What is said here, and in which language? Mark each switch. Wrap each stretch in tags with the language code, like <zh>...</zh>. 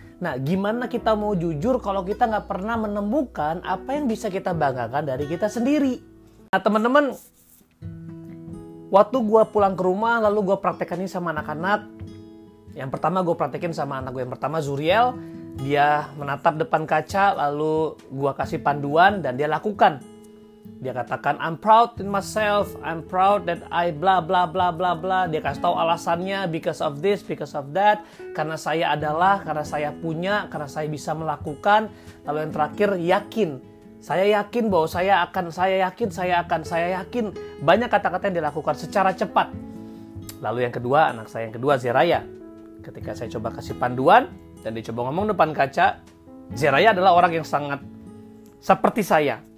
<id>Nah, gimana kita mau jujur kalau kita nggak pernah menemukan apa yang bisa kita banggakan dari kita sendiri? Nah, teman-teman, waktu gue pulang ke rumah, lalu gue praktekin ini sama anak-anak. Yang pertama gue praktekin sama anak gue yang pertama, Zuriel. Dia menatap depan kaca, lalu gue kasih panduan, dan dia lakukan. Dia katakan,</id> <en>I'm proud in myself, I'm proud that I blah blah blah blah blah.</en> <id>Dia kasih tahu alasannya,</id> <en>because of this, because of that.</en> <id>Karena saya adalah, karena saya punya, karena saya bisa melakukan. Lalu yang terakhir, yakin. Saya yakin bahwa saya yakin. Banyak kata-kata yang dilakukan secara cepat. Lalu yang kedua, anak saya yang kedua, Zeraya. Ketika saya coba kasih panduan, dan dia coba ngomong depan kaca, Zeraya adalah orang yang sangat seperti saya.</id>